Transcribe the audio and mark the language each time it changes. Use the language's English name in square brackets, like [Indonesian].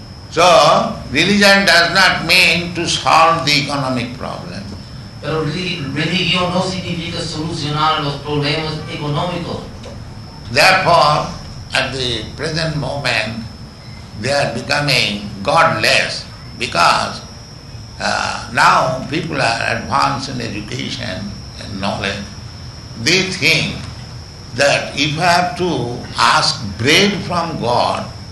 [English] So, religion does not mean to solve the economic problem. [Spanish] Pero religión no significa solucionar los problemas económicos. [English] Therefore, at the present moment, they are becoming godless, because now people are advanced in education and knowledge. They think that if I have to ask bread from God,